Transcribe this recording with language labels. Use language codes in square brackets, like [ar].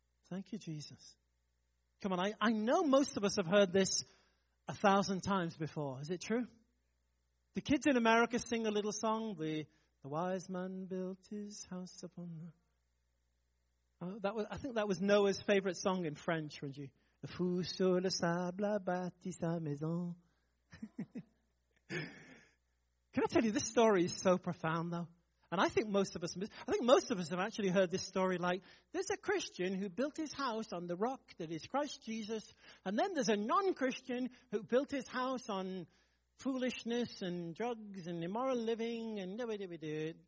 [en] Thank you, Jesus. Come on, I know most of us have heard this 1,000 times before. Is it true? The kids in America sing a little song, the wise man built his house upon the... I think that was Noah's favorite song in French, wouldn't you? [fr] Le fou sur le sable a bâti sa maison. [en] Can I tell you, this story is so profound, though. And I think most of us have actually heard this story like, there's a Christian who built his house on the rock that is Christ Jesus, and then there's a non-Christian who built his house on foolishness and drugs and immoral living and do.